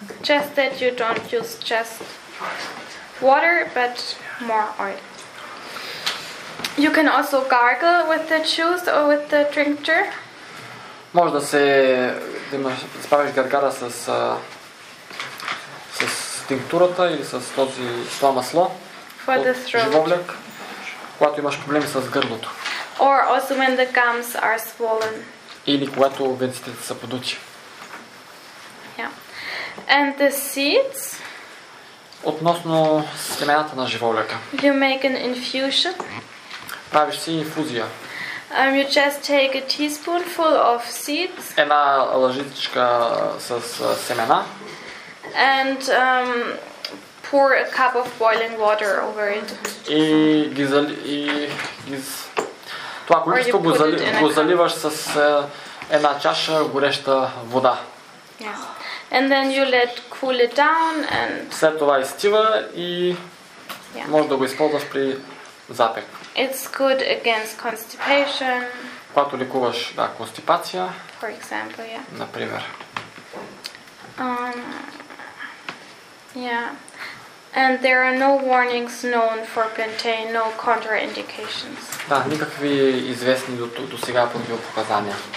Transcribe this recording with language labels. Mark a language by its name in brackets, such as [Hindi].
[English] Just that you don't use just water, but more oil. You can also gargle with the juice or with the tincture. [Bulgarian] Може да се справиш гаргара с тинктурата или с този това масло. [English] For the throat. [Bulgarian] Живоблек, когато имаш проблеми с гърлото. [English] Or also when the gums are swollen. [Bulgarian] Или когато венците са подути. [English] Yeah. And the seeds. [Bulgarian] Относно семената на живоблека. [English] You make an infusion. [Bulgarian] Правиш си инфузия. [English] You just take a teaspoonful of seeds. [Bulgarian] Една лъжичка с семена. [English] And pour a cup of boiling water over it. [Bulgarian] Това количество го заливаш с една чаша гореща вода. [English] Yeah. And then you let cool it down and [Bulgarian] след това изтива и може да го използваш при запек. [English] It's good against constipation. [Bulgarian] Когато лекуваш констипация. [English] For example, yeah. [Bulgarian] Например. [English] Yeah. And there are no warnings known for pentane, no contraindications. [Bulgarian] Да, никакви известни до сега противопоказания.